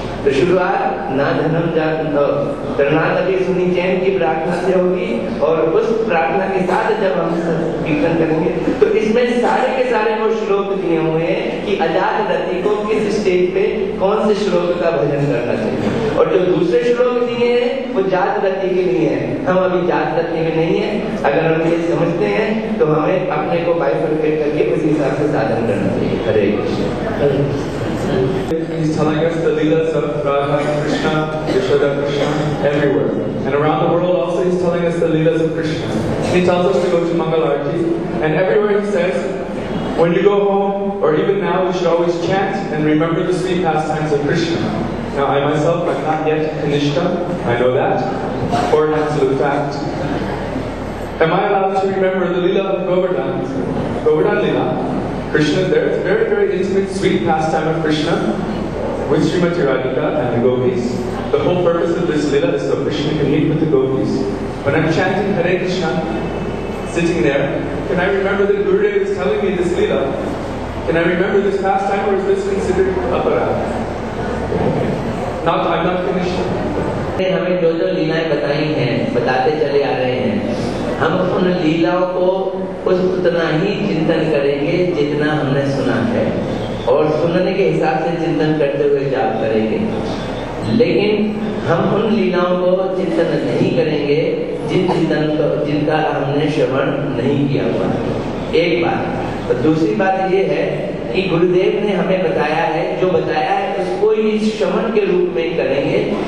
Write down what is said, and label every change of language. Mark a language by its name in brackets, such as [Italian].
[Hindi] तो शुरुआत ना धनम जाति सुनी चैन की प्रार्थना से होगी, और उस प्रार्थना के साथ जब हम कीर्तन करेंगे तो इसमें सारे के सारे वो श्लोक दिए हुए हैं कि अजात गति को किस स्टेज पे कौन से श्लोक का भजन करना चाहिए। और जो दूसरे श्लोक दिए हैं वो जात गति के लिए हैं, हम अभी जात गति में नहीं है, अगर हम ये समझते हैं तो हमें अपने को बाइफर्केट करके उसी हिसाब से साधन करना चाहिए. हरे Krishna. [English] He's telling us the leelas of Radha Krishna, Yashoda Krishna, everywhere. And around the world also he's telling us the leelas of Krishna. He tells us to go to Mangal Arati, and everywhere he says, when you go home, or even now, you should always chant and remember the sweet pastimes of Krishna. Now I myself, I'm not yet Kanishka, I know that, for an absolute fact. Am I allowed to remember the leela of Govardhan? Govardhan leela, Krishna, there is very, very intimate, sweet pastime of Krishna with Srimati Radhika and the gopis. The whole purpose of this leela is so Krishna can meet with the gopis. When I'm chanting Hare Krishna, sitting there, can I remember that Gurudev is telling me this leela? Can I remember this pastime, or is this considered aparad? Not, I'm not finished. They have told us the leelas. We are going to tell you. We will not be able to remember the leelas as we have heard them. [Hindi] और सुनने के हिसाब से चिंतन करते हुए जाप करेंगे, लेकिन हम उन लीलाओं को चिंतन नहीं करेंगे जिनका हमने श्रवण नहीं किया हुआ. एक बात. तो दूसरी बात ये है कि गुरुदेव ने हमें बताया है, जो बताया है उसको ही श्रवण के रूप में करेंगे.